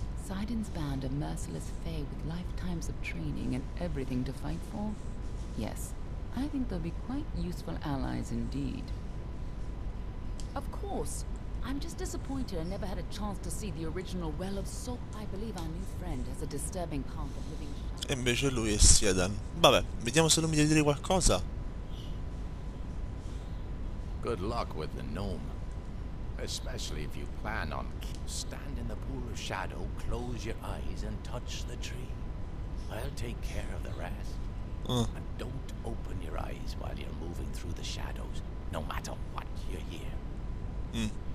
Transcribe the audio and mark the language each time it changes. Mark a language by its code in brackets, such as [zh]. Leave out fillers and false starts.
[en] Sidon's band of merciless Fae with lifetimes of training and everything to fight for? Yes. I think they'll be quite useful allies indeed. Of course. I'm just disappointed I never had a chance to see the original Well of Soul. I believe our new friend has a disturbing path of living. [it] E invece lui è Siedan. Vabbè, vediamo se lui mi deve dire qualcosa. [en] Good luck with the gnome. Especially if you plan on stand in the pool of shadow, close your eyes and touch the tree. I'll take care of the rest. And don't open your eyes while you're moving through the shadows, no matter what you hear.